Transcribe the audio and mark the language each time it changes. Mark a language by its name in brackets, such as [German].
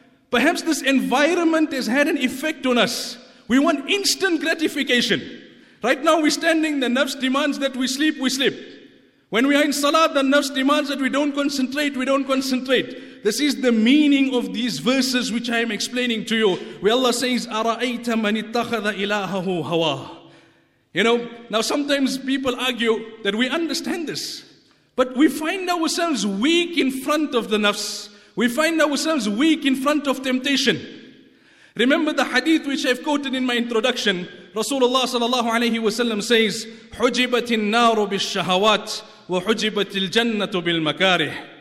[English] Perhaps this environment has had an effect on us. We want instant gratification. Right now, we're standing, the nafs demands that we sleep, we sleep. When we are in salah, the nafs demands that we don't concentrate, we don't concentrate. This is the meaning of these verses which I am explaining to you. Where Allah says, [Arabic] أَرَأَيْتَ مَنِ اتَّخَذَ إِلَٰهَهُ هَوَاهُ. [English] You know, now sometimes people argue that we understand this. But we find ourselves weak in front of the nafs. We find ourselves weak in front of temptation. Remember the hadith which I've quoted in my introduction. Rasulullah sallallahu alayhi wa sallam says, [Arabic] حُجِبَتِ النَّارُ بِالشَّهَوَاتِ وَحُجِبَتِ الْجَنَّةُ بِالْمَكَارِهِ.